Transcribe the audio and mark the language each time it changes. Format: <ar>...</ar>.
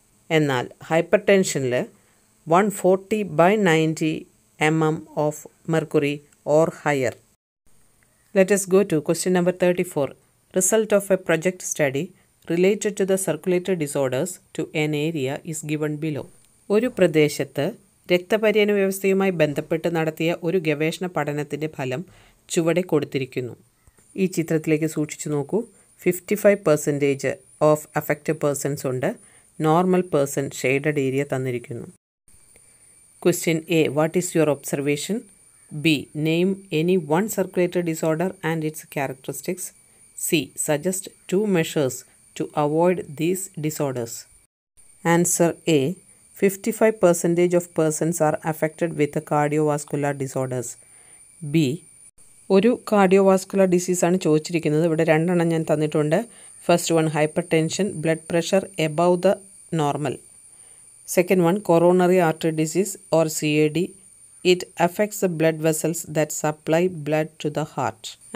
<en>Ennal hypertension le 140/90 mm of mercury or higher. Let us go to question number 34. Result of a project study related to the circulatory disorders to an area is given below.</en> <ml>ഒരു പ്രദേശത്ത് രക്തപരിചരണ വ്യവസ്ഥയുമായി ബന്ധപ്പെട്ട് നടത്തിയ ഒരു ഗവേഷണ പഠനത്തിൻ്റെ ഫലം ചുവടെ കൊടുത്തിരിക്കുന്നു. ഈ ചിത്രത്തിലേക്ക് സൂക്ഷിച്ചു നോക്കൂ.</ml> <en>55% of affected persons</en> <ml>ഉണ്ട്. നോർമൽ പേഴ്സൺ ഷെയ്ഡഡ് ഏരിയ തന്നിരിക്കുന്നു.</ml> <en>Question A, what is your observation? B, name any one circulatory disorder and its characteristics. C, suggest two measures to avoid these disorders. Answer A, 55% of persons are affected with cardiovascular disorders.</en> <ml>B ഒരു cardio vascular ഡിസീസാണ് ചോദിച്ചിരിക്കുന്നത്. ഇവിടെ രണ്ടെണ്ണം ഞാൻ തന്നിട്ടുണ്ട്.</ml> <en>First one hypertension, blood pressure above the normal. Second one coronary artery disease or C A D. It affects the blood vessels that supply blood to the heart.</en>